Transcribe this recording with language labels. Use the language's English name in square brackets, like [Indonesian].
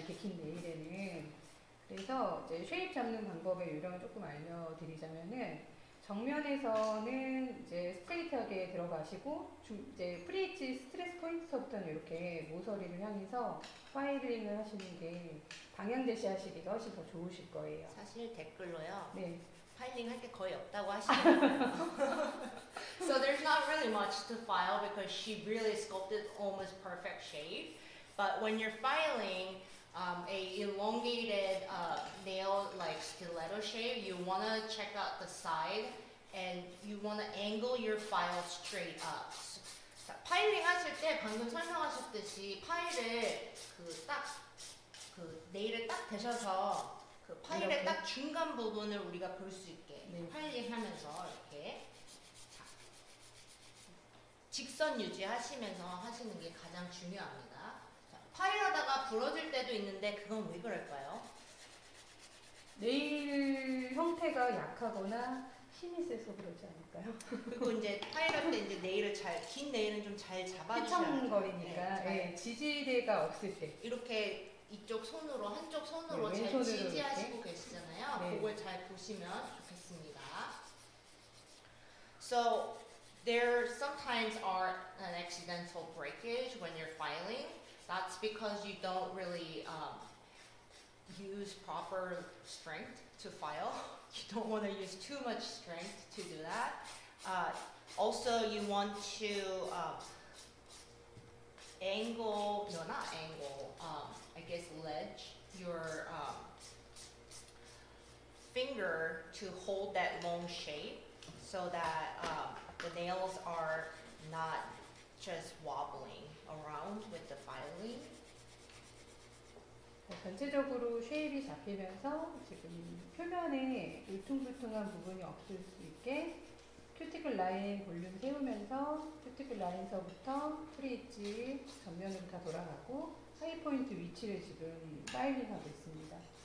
[Korean] 이렇게 긴 네일에는. 그래서 이제 쉐입 잡는 방법의 유형을 조금 알려드리자면은 정면에서는 이제 스트레이트하게 들어가시고 이제 프리엣지 스트레스 포인트서부터는 이렇게 모서리를 향해서 파일링을 하시는 게 방향 제시하시기도 훨씬 더 좋으실 거예요. 사실 댓글로요. 네. [English] So there's not really much to file because she really sculpted almost perfect shape. But when you're filing a elongated nail like stiletto shape, you want to check out the side and you want to angle your file straight up. [Korean] 자, 파일링 하실 때 방금 설명하셨듯이 파일을 그 네일을 딱 대셔서 그 파일의 이렇게? 딱 중간 부분을 우리가 볼 수 있게 네. 파일링 하면서 이렇게 자. 직선 유지하시면서 하시는 게 가장 중요합니다. 자. 파일하다가 부러질 때도 있는데 그건 왜 그럴까요? 네일 형태가 약하거나 힘이 세서 그러지 않을까요? 그리고 이제 파일할 때 이제 네일을 잘, 긴 네일은 좀 잘 잡아주셔야 돼요. 휘청거리니까 네. 네. 지지대가 없을 때 이렇게 이쪽 손으로, 한쪽 손으로 네, 잘 지지하시고 이렇게? 계시잖아요. 네. 그걸 잘 보시면 좋겠습니다. [English] So, there sometimes are an accidental breakage when you're filing. That's because you don't really use proper strength to file. You don't want to use too much strength to do that. Also, you want to angle, no, not angle, I guess ledge your finger to hold that long shape so that the nails are not just wobbling around with the filing. [Korean] 전체적으로 쉐입이 잡히면서 지금 표면에 울퉁불퉁한 부분이 없을 수 있게 큐티클 라인 볼륨 세우면서 큐티클 라인서부터 프리엣지 전면으로 다 돌아가고 하이 포인트 위치를 지금 파일링하고 있습니다.